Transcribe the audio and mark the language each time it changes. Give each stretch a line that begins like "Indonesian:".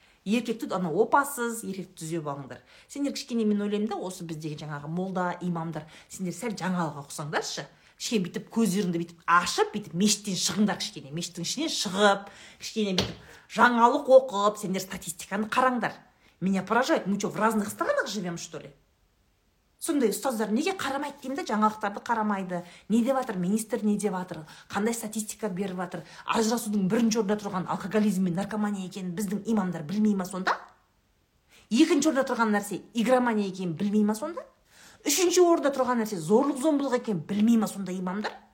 Kazakh: Еркекті ана опасыз, еркекті түзеп алыңдар. Сендер кішкене мен ойлаймын да, осы біздегі жаңағы молда, имамдар, сендер сәл жаңалыққа ұқсаңдаршы. кішкене бүйтіп көздеріңді бүйтіп ашып, бүйтіп мешіттен шығыңдар кішкене. Мешіттің ішінен шығып, кішкене бүйтіп жаңалық оқып, сендер статистиканы қараңдар.
Russian: Меня поражает, мы что, в разных странах живем, что ли?
Kazakh: Сондай ұстаздар неге қарамайды деймін де, жаңалықтарды қарамайды. Не деп атыр, министр не деп атыр, қандай статистика беріп атыр, ажырасудың бірінші орында тұрған алкоголизм мен наркомания екенін біздің имамдар білмей ма сонда? Екінші орында тұрған нәрсе игромания екенін білмей ма сонда? Үшінші орында тұрған нәрсе зорлық-зомбылық екенін білмей ма сонда имамдар?